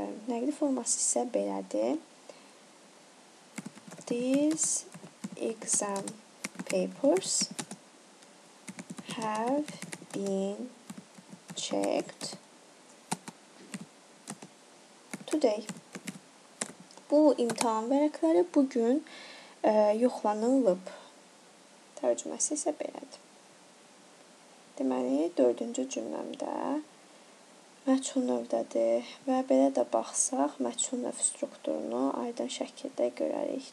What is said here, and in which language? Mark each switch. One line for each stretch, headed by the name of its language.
Azerbaijani: Nəqli forması isə belədir.
English: These exam papers have been checked today.
Azerbaijani: Bu imtahan vərəqləri bugün yoxlanılıb. Tərcüməsi isə belədir. Deməli, dördüncü cümləmdə məçhul növdədir və belə də baxsaq, məçhul növ strukturunu aydın şəkildə görərik.